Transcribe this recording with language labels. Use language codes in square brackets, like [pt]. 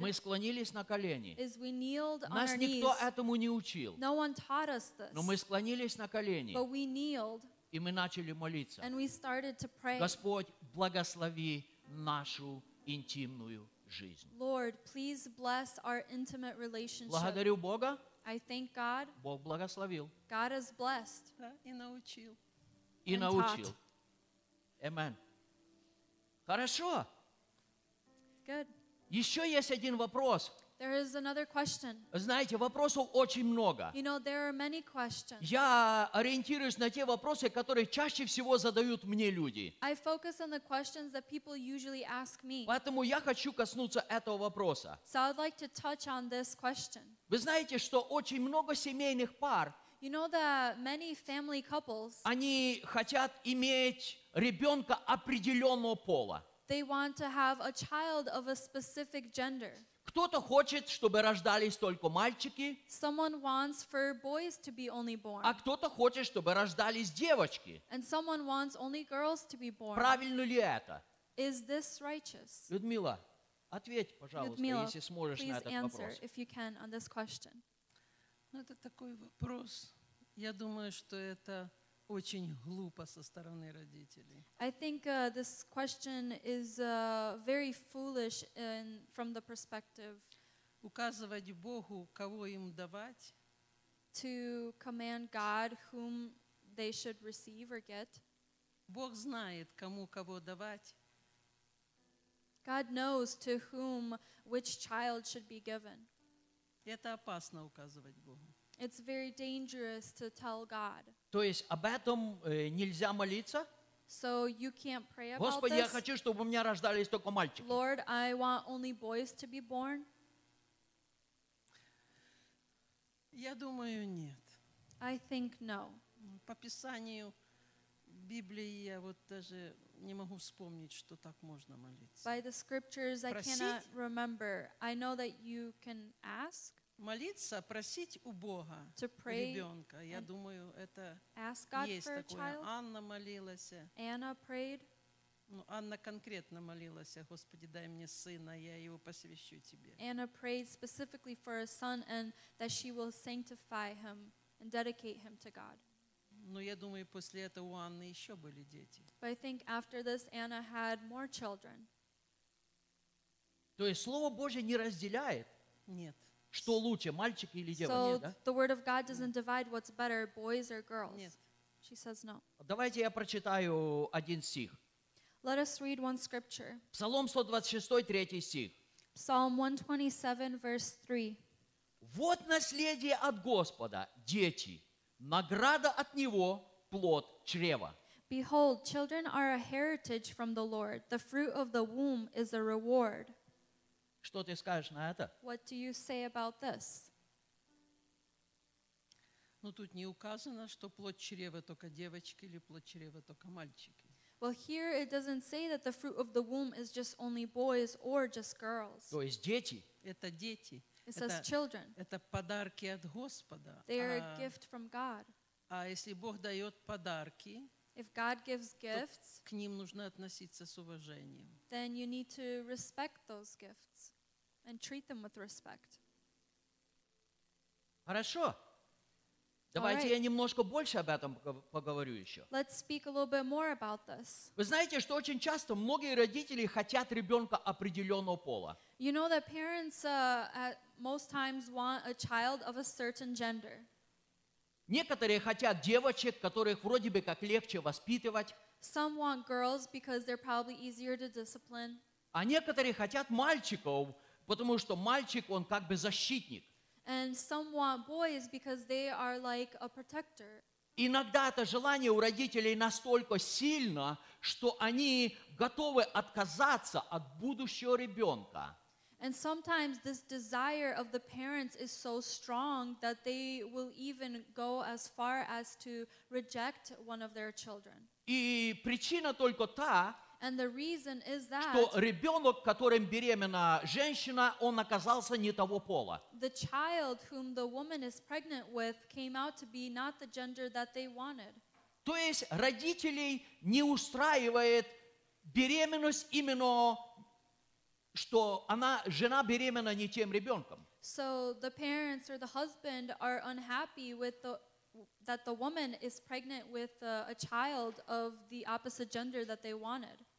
[ru] мы склонились на колени. [en] Is we kneeled on our knees. [ru] Нас никто этому не учил. [en] No one taught us this. [ru] Но мы склонились на колени. [en] But we kneeled. [ru] И мы начали молиться. [en] And we started to pray. [ru] Господь, благослови нашу интимную жизнь. [en] Lord, please bless our intimate relationship. [ru] Благодарю Бога. [en] I thank God. [ru] Бог благословил. [en] God has blessed. [ru] И научил. И научил. Amen. Хорошо. [en] Good. [ru] Еще есть один вопрос. [en] There is another question. [ru] Знаете, вопросов очень много. [en] You know, there are many questions. [ru] Я ориентируюсь на те вопросы, которые чаще всего задают мне люди. [en] I focus on the questions that people usually ask me. [ru] Поэтому я хочу коснуться этого вопроса. [en] So I'd like to touch on this question. [ru] Вы знаете, что очень много семейных пар, [en] you know that many family couples, [ru] они хотят иметь ребенка определенного пола. [en] They want to have a child of a specific gender. [ru] Кто-то хочет, чтобы рождались только мальчики. [en] Someone wants for boys to be only born. [ru] А кто-то хочет, чтобы рождались девочки. [en] And someone wants only girls to be born. [ru] Правильно ли это? [en] Is this righteous? [ru] Людмила, ответь, пожалуйста, Людмила, если сможешь на этот вопрос. [en] Answer, if you can, on this question. [ru] Ну, это такой вопрос. Я думаю, что это очень глупо со стороны родителей. [en] I think this question is very foolish in, from the perspective. [ru] Указывать Богу, кого им давать. [en] To command God whom they should receive or get. [ru] Бог знает, кому кого давать. [en] God knows to whom which child should be given. [ru] Это опасно указывать Богу. [en] It's very dangerous to tell God. [ru] То есть об этом нельзя молиться? [en] So you can't pray about [ru] Господи, [en] this? [ru] Господи, я хочу, чтобы у меня рождались только мальчики. [en] Lord, I want only boys to be born. [ru] Я думаю, нет. [en] I think no. [ru] По Писанию Библии я вот даже не могу вспомнить, что так можно молиться. [en] By the scriptures, [ru] просить? [en] I cannot remember. I know that you can ask. [ru] Молиться, просить у Бога ребенка. Я думаю, это есть такое. Анна молилась. [en] Anna prayed. [ru] Ну, Анна конкретно молилась: Господи, дай мне сына, я его посвящу тебе. [en] Anna prayed specifically for a son and that she will sanctify him and dedicate him to God. [ru] Но я думаю, после этого у Анны еще были дети. [en] But I think after this Anna had more children. [ru] То есть Слово Божье не разделяет. Нет. Что лучше, мальчик или девочка? [en] So [ru] нет, да? [en] The word of God doesn't divide what's better, boys or girls. [ru] Нет. [en] She says no. [ru] Давайте я прочитаю один стих. [en] Let us read one scripture. [ru] Псалом 126, 3 стих. [en] Psalm 127, verse 3. [ru] Вот наследие от Господа, дети, награда от Него, плод чрева. [en] Behold, children are a heritage from the Lord. The fruit of the womb is a reward. [ru] Что ты скажешь на это? [en] What do you say about this? [ru] Ну, тут не указано, что плод чрева только девочки или плод чрева только мальчики. [en] Well, here it doesn't say that the fruit of the womb is just only boys or just girls. [ru] То есть дети. Это дети. [en] It says children. [ru] Это подарки от Господа. [en] They are a gift from God. [ru] А если Бог дает подарки, [en] if God gives gifts, [ru] к ним нужно относиться с уважением. [en] Then you need to respect those gifts and treat them with respect. [ru] Хорошо. Давайте я немножко больше об этом поговорю еще. [en] Let's speak a little bit more about this. [ru] Вы знаете, что очень часто многие родители хотят ребенка определенного пола. [en] You know that parents at most times want a child of a certain gender. [ru] Некоторые хотят девочек, которых вроде бы как легче воспитывать. [en] Some want girls because they're probably easier to discipline. [ru] А некоторые хотят мальчиков, потому что мальчик, он как бы защитник. [en] And some want boys because they are like a protector. [ru] Иногда это желание у родителей настолько сильно, что они готовы отказаться от будущего ребенка. [en] And sometimes this desire of the parents is so strong that they will even go as far as to reject one of their children. [ru] И причина только та, [en] and the reason is that [ru] что ребенок, которым беременна женщина, он оказался не того пола. [en] The child whom the woman is pregnant with came out to be not the gender that they wanted. [ru] То есть родителей не устраивает беременность именно, что она, жена беременна не тем ребенком. [en] So the parents or the husband are unhappy with the that the woman is pregnant with a child of the opposite gender that they wanted.